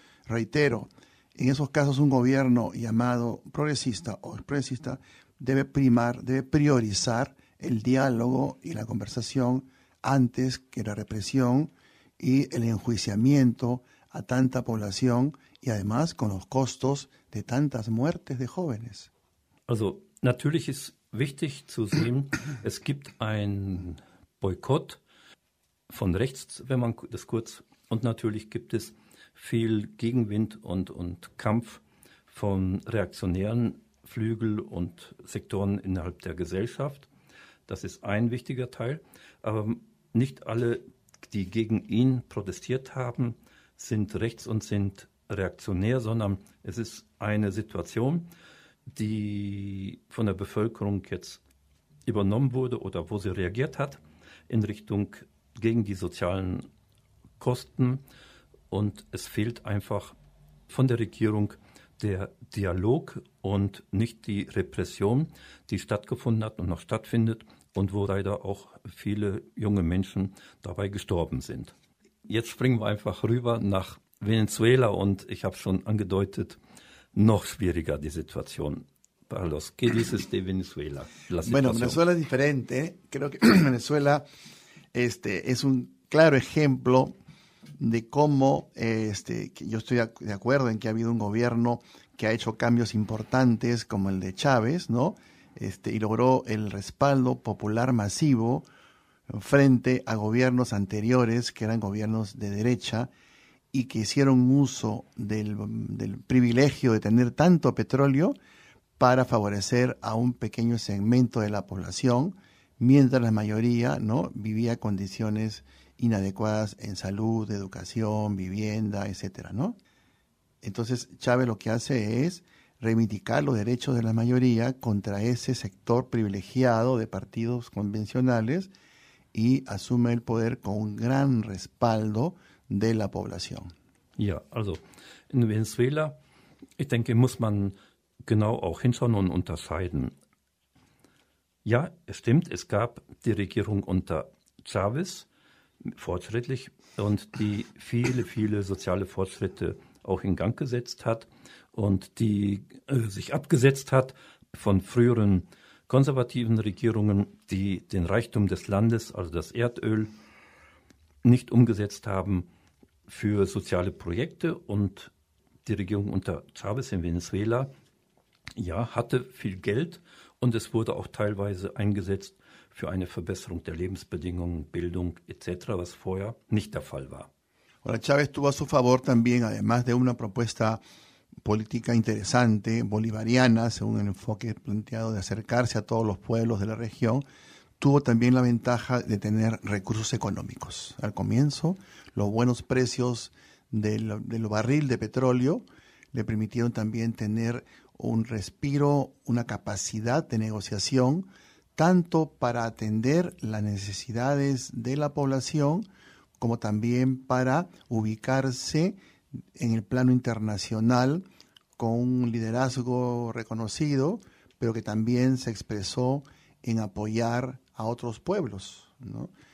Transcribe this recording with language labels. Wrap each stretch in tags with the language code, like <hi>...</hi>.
<es>Reitero, en esos casos un gobierno llamado progresista o expresista debe priorizar el diálogo y la conversación antes que la represión y el enjuiciamiento a tanta población y además con los costos de tantas muertes de jóvenes.</es> <de>Also, natürlich ist wichtig zu sehen, es gibt einen Boykott von rechts, wenn man das kurz, und natürlich gibt es viel Gegenwind und Kampf von reaktionären Flügel und Sektoren innerhalb der Gesellschaft. Das ist ein wichtiger Teil. Aber nicht alle, die gegen ihn protestiert haben, sind rechts und sind reaktionär, sondern es ist eine Situation, die von der Bevölkerung jetzt übernommen wurde oder wo sie reagiert hat in Richtung gegen die sozialen Kosten. Und es fehlt einfach von der Regierung der Dialog und nicht die Repression, die stattgefunden hat und noch stattfindet und wo leider auch viele junge Menschen dabei gestorben sind. Jetzt springen wir einfach rüber nach Venezuela und ich habe schon angedeutet, noch schwieriger die Situation.</de> <es>Carlos, ¿qué dices de Venezuela? Bueno, Venezuela es diferente. Creo que Venezuela es un claro ejemplo de cómo yo estoy de acuerdo en que ha habido un gobierno que ha hecho cambios importantes como el de Chávez, ¿no? Y logró el respaldo popular masivo frente a gobiernos anteriores que eran gobiernos de derecha y que hicieron uso del privilegio de tener tanto petróleo para favorecer a un pequeño segmento de la población, mientras la mayoría, ¿no?, vivía condiciones inadecuadas en salud, educación, vivienda, etcétera, ¿no? Entonces Chávez lo que hace es reivindicar los derechos de la mayoría contra ese sector privilegiado de partidos convencionales y asume el poder con un gran respaldo de la población.</es> <de>Ja, also in Venezuela, ich denke, muss man genau auch hinschauen und unterscheiden. Ja, es stimmt, es gab die Regierung unter Chávez, fortschrittlich, und die viele, viele soziale Fortschritte auch in Gang gesetzt hat und die sich abgesetzt hat von früheren konservativen Regierungen, die den Reichtum des Landes, also das Erdöl, nicht umgesetzt haben für soziale Projekte. Und die Regierung unter Chávez in Venezuela, ja, hatte viel Geld und es wurde auch teilweise eingesetzt für eine Verbesserung der Lebensbedingungen, Bildung etc., was vorher nicht der Fall war.</de> <es>Ahora Chávez tuvo a su favor también, además de una propuesta política interesante, bolivariana, según el enfoque planteado de acercarse a todos los pueblos de la región, tuvo también la ventaja de tener recursos económicos. Al comienzo, los buenos precios del barril de petróleo le permitieron también tener un respiro, una capacidad de negociación, tanto para atender las necesidades de la población como también para ubicarse en el plano internacional con un liderazgo reconocido, pero que también se expresó en apoyar a otros pueblos, ¿no?</es>